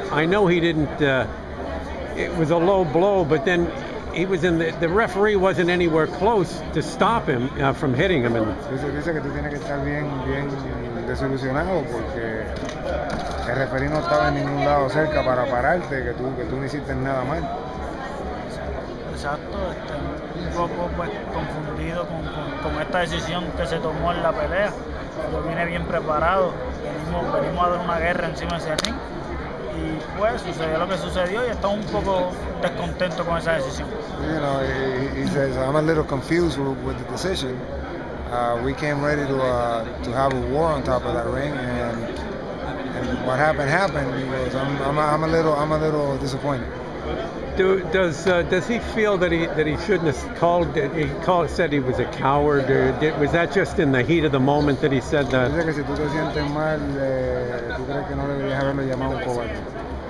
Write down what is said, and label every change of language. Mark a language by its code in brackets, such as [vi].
[en] I know he didn't, it was a low blow, but then he was in the referee wasn't anywhere close to stop him from hitting him. [es] Dice que tú tienes que estar bien, bien desilusionado porque el referee no estaba en ningún lado cerca para pararte, que tú no hiciste nada mal. Exacto, un poco pues confundido con esta decisión que se tomó en la pelea. Yo vine bien preparado, venimos a dar una guerra encima de ese ring. Y pues sucedió lo que sucedió y estaba un poco descontento con esa decisión. [en] You know, he says, I'm a little confused with the decision. We came ready to have a war on top of that ring, and what happened, he goes, I'm a little disappointed. Does he feel that he shouldn't have called? He said he was a coward. Or was that just in the heat of the moment that he said that? [es] Dice que si tú te sientes mal, tú crees que no deberías haberlo llamado un cobarde.